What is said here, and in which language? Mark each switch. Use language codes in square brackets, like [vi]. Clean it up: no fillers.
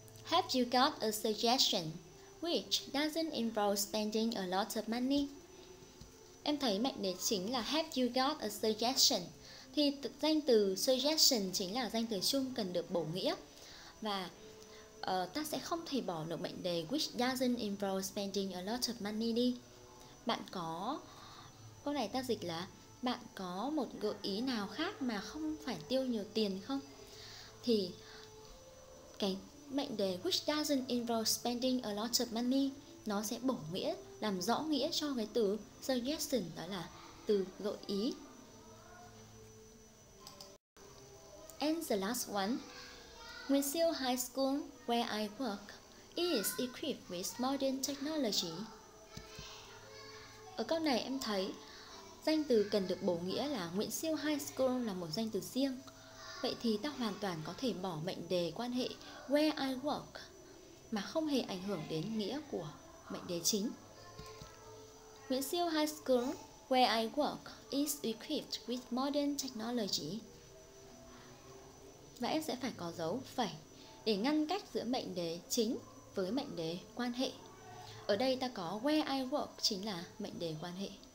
[en] Have you got a suggestion which doesn't involve spending a lot of money? [vi] Em thấy mệnh đề chính là [en] have you got a suggestion. [vi] Thì danh từ suggestion chính là danh từ chung cần được bổ nghĩa. Và ta sẽ không thể bỏ được mệnh đề [en] which doesn't involve spending a lot of money [vi] đi. Bạn có, câu này ta dịch là bạn có một gợi ý nào khác mà không phải tiêu nhiều tiền không? Thì cái mệnh đề [en] which doesn't involve spending a lot of money [vi] nó sẽ bổ nghĩa, làm rõ nghĩa cho cái từ suggestion, đó là từ gợi ý. [en] And the last one. Nguyễn Siêu High School, where I work, is equipped with modern technology. [vi] Ở câu này em thấy danh từ cần được bổ nghĩa là Nguyễn Siêu High School là một danh từ riêng. Vậy thì ta hoàn toàn có thể bỏ mệnh đề quan hệ [en] where I work [vi] mà không hề ảnh hưởng đến nghĩa của mệnh đề chính. [en] Nguyễn Siêu High School, where I work, is equipped with modern technology. [vi] Và em sẽ phải có dấu phẩy để ngăn cách giữa mệnh đề chính với mệnh đề quan hệ. Ở đây ta có [en] where I work [vi] chính là mệnh đề quan hệ.